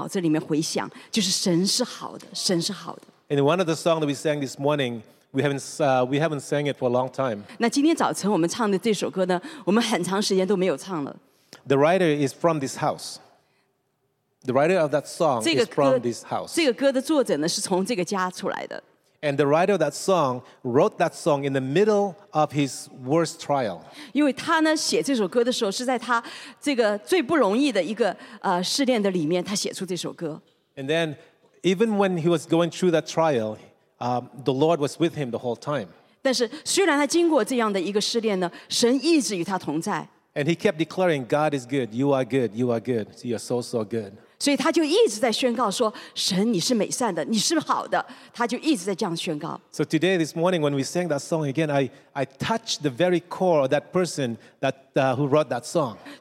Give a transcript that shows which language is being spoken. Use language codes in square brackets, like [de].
[zh] 所以每一次当我醒过来的时候，无论是晚上醒过来的时候，这首歌都在我的脑子里面回响，就是神是好的，神是好的。 [en] And one of the songs that we sang this morning, we haven't sang it for a long time. [zh] 那今天早晨我们唱的这首歌呢，我们很长时间都没有唱了。 [en] The writer is from this house. The writer of that song is from this house. [zh] 这个歌的作者呢，是从这个家出来的。 [en] And the writer of that song wrote that song in the middle of his worst trial. [zh] 因为他呢，写这首歌的时候，是在他这个最不容易的一个试炼的里面，他写出这首歌。 [en] And then, even when he was going through that trial, the Lord was with him the whole time. [zh] 但是，虽然他经过这样的一个试炼呢，神一直与他同在。 [en] And he kept declaring, "God is good. You are good. You are good. You are so, so good." [zh] 所以他就一直在宣告说，神你是美善的，你是好的。他就一直在这样宣告。 [en] So today, this morning, when we sang that song again, I touched the very core of that person who wrote that song.